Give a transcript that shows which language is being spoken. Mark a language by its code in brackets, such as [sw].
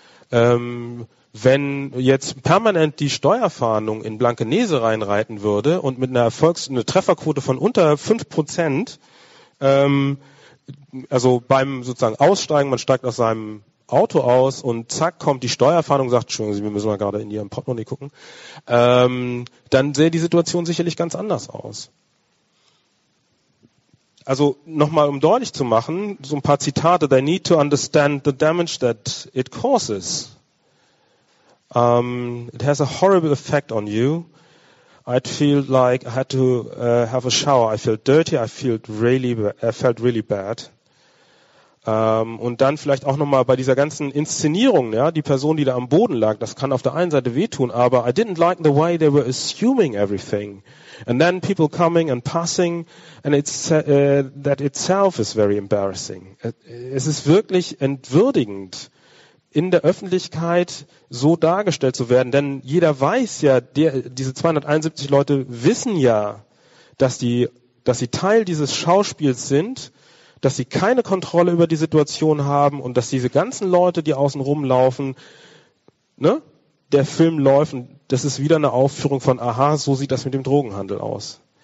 [de] Wenn jetzt permanent die Steuerfahndung in Blankenese reinreiten würde und mit einer eine Trefferquote von unter 5%, also beim sozusagen Aussteigen, man steigt aus seinem Auto aus und zack kommt die Steuerfahndung, sagt, Entschuldigung, wir müssen mal gerade in Ihrem Portemonnaie gucken, dann sähe die Situation sicherlich ganz anders aus. Also nochmal, um deutlich zu machen, so ein paar Zitate. [en] They need to understand the damage that it causes. It has a horrible effect on you. I'd feel like I had to have a shower. I felt dirty. I felt really bad. [de] Und dann vielleicht auch nochmal bei dieser ganzen Inszenierung, ja, die Person, die da am Boden lag, das kann auf der einen Seite wehtun, aber [en] I didn't like the way they were assuming everything. And then people coming and passing, and that itself is very embarrassing. [de] Es ist wirklich entwürdigend, in der Öffentlichkeit so dargestellt zu werden, denn jeder weiß ja, diese 271 Leute wissen ja, dass sie Teil dieses Schauspiels sind, dass sie keine Kontrolle über die Situation haben und dass diese ganzen Leute, die außen rumlaufen, ne, der Film läuft und das ist wieder eine Aufführung von, aha, so sieht das mit dem Drogenhandel aus.